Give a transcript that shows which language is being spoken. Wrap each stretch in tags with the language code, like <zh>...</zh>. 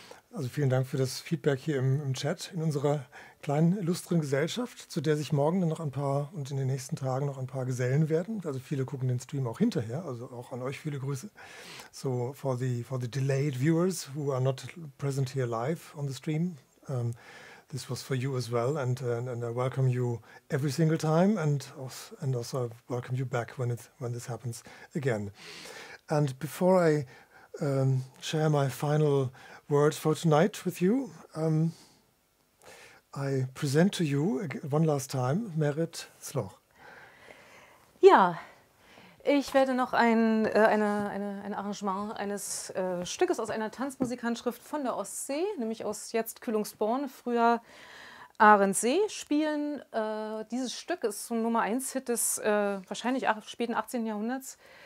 <de>Also vielen Dank für das Feedback hier im Chat in unserer kleinen illustren Gesellschaft, zu der sich morgen noch ein paar und in den nächsten Tagen noch ein paar gesellen werden. Also viele gucken den Stream auch hinterher, also auch an euch viele Grüße.</de> <en>So for the delayed viewers who are not present here live on the stream, this was for you as well, and I welcome you every single time, and also I welcome you back when this happens again. And before I share my final words for tonight with you, I present to you one last time Merit Sloch.</en> <de>Ja, ich werde noch ein Arrangement eines Stückes aus einer Tanzmusikhandschrift von der Ostsee, nämlich aus jetzt Kühlungsborn, früher Arendsee, spielen. Dieses Stück ist so ein Nummer 1-Hit des wahrscheinlich späten 18. Jahrhunderts.</de>